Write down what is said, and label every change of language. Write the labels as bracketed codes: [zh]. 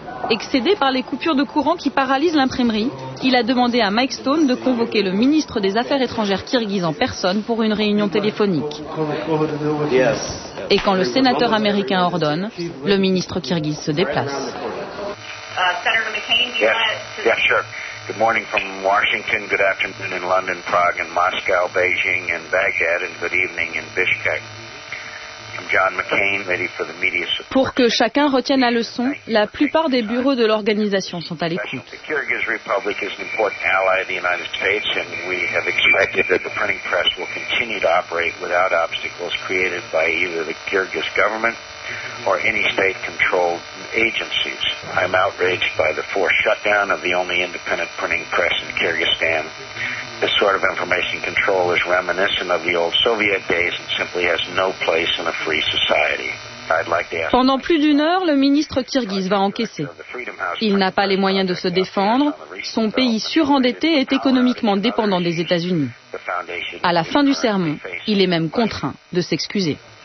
[fr] Excédé par les coupures de courant qui paralysent l'imprimerie, il a demandé à Mike Stone de convoquer le ministre des Affaires étrangères kirghize en personne pour une réunion téléphonique. Et quand le sénateur américain ordonne, le ministre kirghize se déplace. [en] Good morning from Washington, good afternoon in London, Prague and Moscow, Beijing and Baghdad, and good evening in Bishkek. I'm John McCain, ready for the media support. [fr] Pour que chacun retienne la leçon, la plupart des bureaux de l'organisation sont à l'écoute. [en] The Kyrgyz Republic is an important ally of the United States, and we have expected that the printing press will continue to operate without obstacles created by either the Kyrgyz government or any state-controlled agencies. I'm outraged by the forced shutdown of the only independent printing press in Kyrgyzstan. This sort of information control is reminiscent of the old Soviet days and simply has no place in a free society. [fr] Pendant plus d'une heure, le ministre kirghiz va encaisser. Il n'a pas les moyens de se défendre. Son pays surendetté est économiquement dépendant des États-Unis. À la fin du sermon, il est même contraint de s'excuser.